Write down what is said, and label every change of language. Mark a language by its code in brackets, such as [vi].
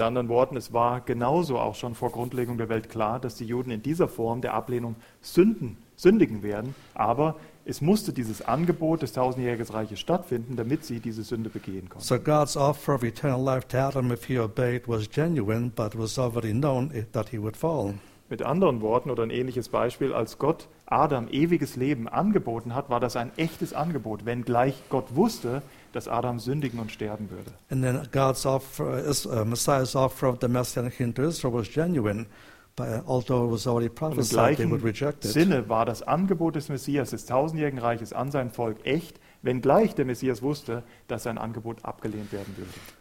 [de] anderen Worten, es war genauso auch schon vor Grundlegung der Welt klar, dass die Juden in dieser Form der Ablehnung sündigen werden, aber es musste dieses Angebot des tausendjährigen Reiches stattfinden, damit sie diese Sünde begehen konnten. [en] So God's offer of eternal life to Adam if he obeyed was genuine, but was already known that he would fall. [de] Mit anderen Worten oder ein ähnliches Beispiel, als Gott Adam ewiges Leben angeboten hat, war das ein echtes Angebot, wenngleich Gott wusste, dass Adam sündigen und sterben würde. [en] And then God's offer is Messiah's offer of the messianic kingdom to Israel was genuine. But although it was already prophesied, [de] im gleichen [en] they would reject it. [de] Sinne war das Angebot des Messias, des tausendjährigen Reiches an sein Volk echt, wenngleich der Messias wusste, dass sein Angebot abgelehnt werden würde.